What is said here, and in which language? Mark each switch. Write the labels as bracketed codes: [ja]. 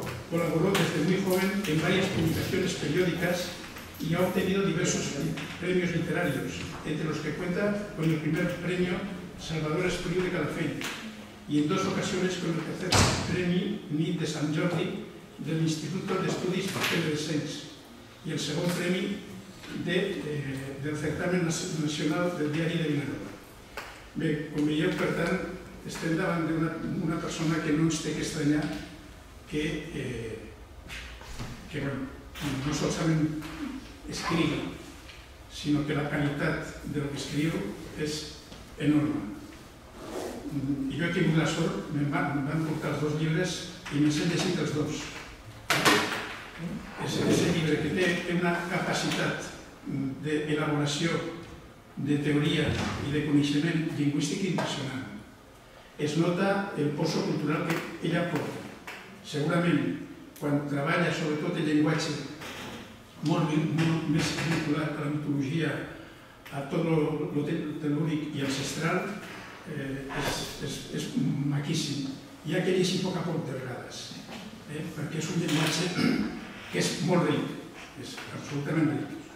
[es] Colaboró desde muy joven en varias publicaciones periódicas y ha obtenido diversos premios literarios, entre los que cuenta con el primer premio Salvador Espriu de Calafell y en dos ocasiones con el tercer premio Nit de Sant Jordi del Instituto de Estudis Pedresens y el segundo premio del Certamen Nacional del Diari de Vinaroa. [ca] Bé, com veieu, per tant, estem davant d'una persona que no ens té que estranyar que no solament escriu, sinó que la qualitat del que escriu és enorme. I jo he tingut la sort, em van portar els dos llibres i m'he llegit els dos. És el llibre que té una capacitat d'elaboració de teoria i de coneixement lingüístic impressionant. Es nota el pozo cultural que ella porta. Segurament, quan treballa sobretot el llenguatge molt més vinculat a la mitologia, a tot el tel·lúric i ancestral, és maquíssim. Hi ha que llegir poc a poc de vegades, perquè és un llenguatge que és molt ric, és absolutament ric.